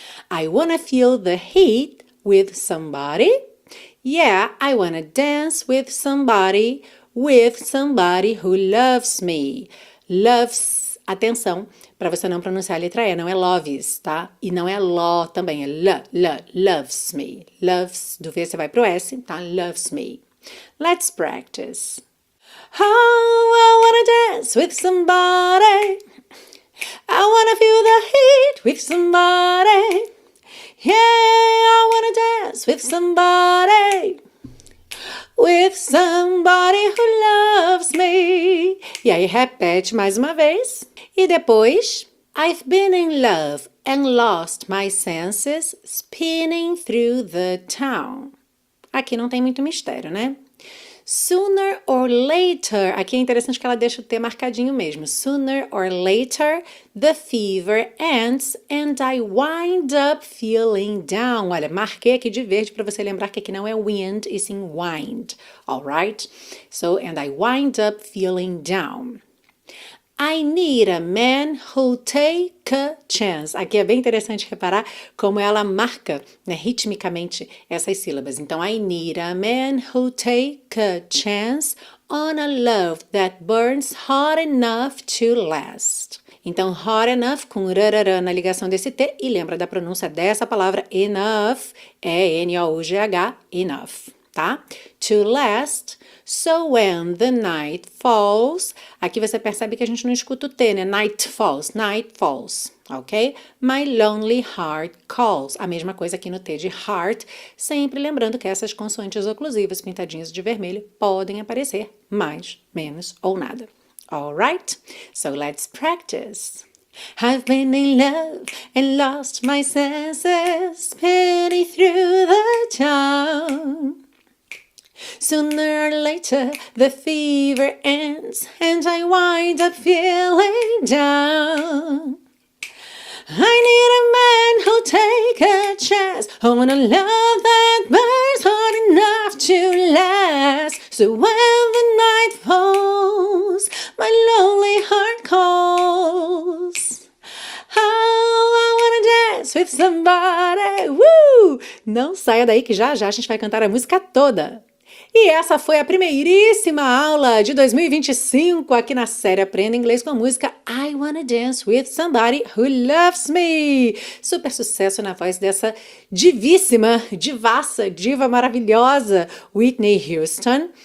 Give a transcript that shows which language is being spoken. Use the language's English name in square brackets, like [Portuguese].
[English] I wanna feel the heat with somebody. Yeah, I wanna dance with somebody who loves me. [Portuguese] Loves, atenção, para você não pronunciar a letra E, não é loves, tá? E não é lo também, é loves me. Loves, do V você vai pro S, tá? [English] Loves me. Let's practice. Oh, I wanna dance with somebody. I wanna feel the heat with somebody. Yeah, I wanna dance with somebody. With somebody who loves me. [Portuguese] E aí, repete mais uma vez. E depois, [English] I've been in love and lost my senses spinning through the town. [Portuguese] Aqui não tem muito mistério, né? [English] Sooner or later, [Portuguese] aqui é interessante que ela deixa o T marcadinho mesmo. [English] Sooner or later, the fever ends and I wind up feeling down. [Portuguese] Olha, marquei aqui de verde para você lembrar que aqui não é wind, e sim wind. [English] All right? So, and I wind up feeling down. I need a man who take a chance. [Portuguese] Aqui é bem interessante reparar como ela marca, né, ritmicamente essas sílabas. Então, [English] I need a man who take a chance on a love that burns hot enough to last. [Portuguese] Então, hot enough com rarara na ligação desse T. E lembra da pronúncia dessa palavra, enough, é Nough, enough. Tá? [English] To last, so when the night falls. [Portuguese] Aqui você percebe que a gente não escuta o T, né? Night falls, ok? [English] My lonely heart calls. [Portuguese] A mesma coisa aqui no T de heart, sempre lembrando que essas consoantes oclusivas pintadinhas de vermelho podem aparecer mais, menos ou nada. [English] All right? So let's practice. I've been in love and lost my senses, spinning through the town. Sooner or later, the fever ends and I wind up feeling down. I need a man who'll take a chance on a love that burns hard enough to last. So when the night falls, my lonely heart calls. Oh, I wanna dance with somebody. Woo! [Portuguese] Não saia daí que já já a gente vai cantar a música toda. E essa foi a primeiríssima aula de 2025 aqui na série Aprenda Inglês com a Música I Wanna Dance With Somebody Who Loves Me. Super sucesso na voz dessa divíssima, divaça, diva maravilhosa Whitney Houston.